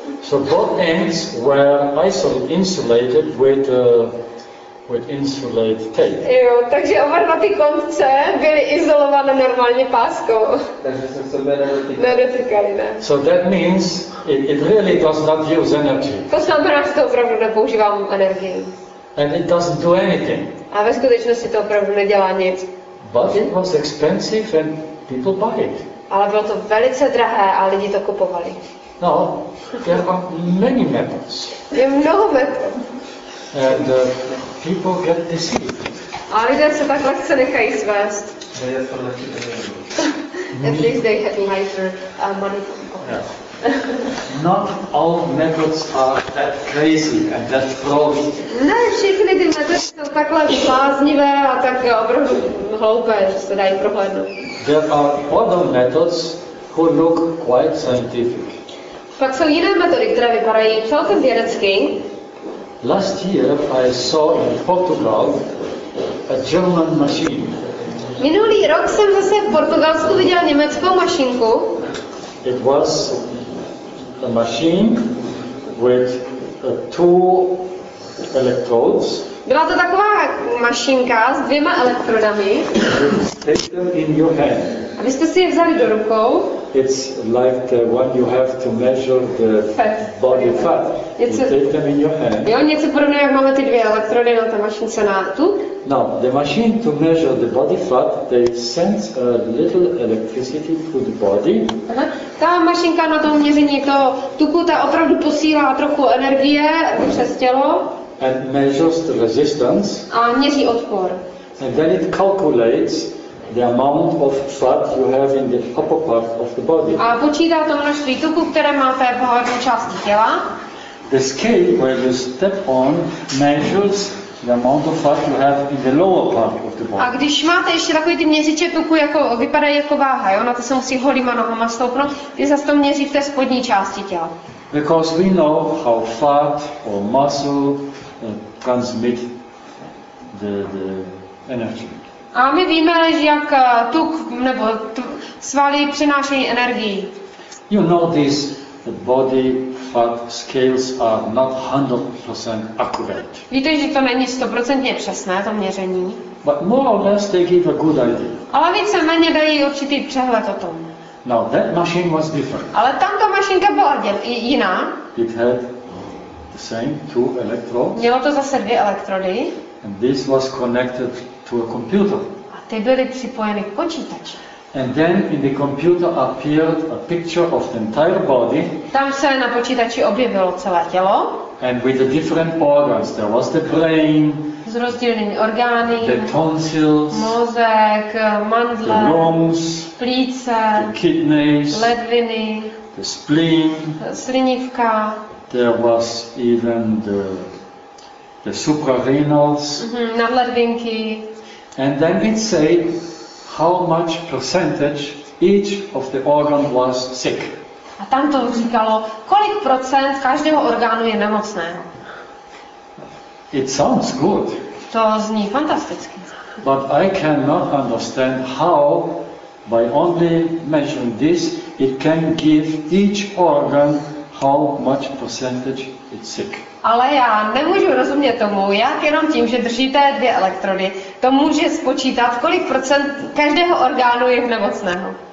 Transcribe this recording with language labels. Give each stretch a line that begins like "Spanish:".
English: So both ends were insulated with insulated tape.
Czech: Jo, takže oba na ty konce byly izolované normálně páskou. Takže se sebe nedotýkali.
English: So that means it really does not use energy.
Czech: To znamená, že to opravdu nepoužívám energii.
English: And it doesn't do anything.
Czech: A ve skutečnosti to opravdu nedělá nic.
English: But it was expensive and people buy it.
Czech: Ale bylo to velice drahé a lidi to kupovali.
English: No, there are many methods.
Czech: Je mnoho metod.
English: And people get deceived.
Czech: A lidé se tak lehce nechají svést.
English: At least they have lighter money. Yeah. Not all methods are that crazy and that wrong.
Czech: Ne, všechny ty metody jsou takhle bláznivé a tak opravdu hloupé, že se dají prohlédnout.
English: There are other methods who look quite scientific.
Czech: Pak jsou jiné metody, které vypadají celkem vědecky.
English: Last year I saw in Portugal a German machine.
Czech: Minulý rok jsem zase v Portugalsku viděl německou mašinku.
English: It was a machine with two electrodes.
Czech: Byla to taková mašinka s dvěma elektrodami.
English: Take them in your hand.
Czech: A vy jste si je vzali do rukou.
English: It's like the one you have to measure the fat. Body fat. You take them in your hand.
Czech: Jo, něco podobné, jak máme ty dvě elektrody na té mašince na tu.
English: No, the machine to measure the body fat, they sense a little electricity through the body. Aha.
Czech: Ta mašinka na tom měření toho tuku, ta opravdu posílá trochu energie přes tělo.
English: And measures the resistance.
Czech: A měří odpor.
English: And then it calculates the amount of fat you have in the upper part of the body.
Czech: A počítá to množství tuku, které máte v horní části těla.
English: The scale where you step on measures the amount of fat you have in the lower part of the body.
Czech: A když máte ještě takový ty měřiče tuku, jako vypadá jako váha, jo, na to se musí holýma nohama stoupnout, ty zase to měří v té spodní části těla.
English: Because we know how fat or muscle transmit the energy.
Czech: A my víme, že jak tuk nebo svaly přenášejí energii.
English: You notice the body fat scales are not 100% accurate.
Czech: Víte, že to není 100% přesné to měření.
English: But more or less they give a good idea.
Czech: Ale víceméně dají určitý přehled o tom.
English: Now that machine was different.
Czech: Ale tamto mašinka byla jiná.
English: It had the same two electrodes.
Czech: Mělo to zase dvě elektrody.
English: And this was connected to a computer.
Czech: A ty byly připojeny k počítači.
English: And then in the computer appeared a picture of the entire body.
Czech: Tam se na počítači objevilo celé tělo.
English: And with the different organs, there was the brain.
Czech: S rozdílnými orgány.
English: The tonsils.
Czech: Mozek, mandle.
English: The lungs.
Czech: Plíce.
English: The kidneys.
Czech: Ledviny.
English: The spleen.
Czech: Slinivka.
English: There was even the suprarenals.
Czech: Nadledvinky.
English: And then it say how much percentage each of the organ was sick.
Czech: A tam to říkalo, kolik procent každého orgánu je nemocného.
English: It sounds good.
Czech: To zní fantasticky.
English: But I cannot understand how by only measuring this it can give each organ how much percentage it's sick.
Czech: Ale já nemůžu rozumět tomu, jak jenom tím, že držíte dvě elektrody, to může spočítat, kolik procent každého orgánu je nemocného.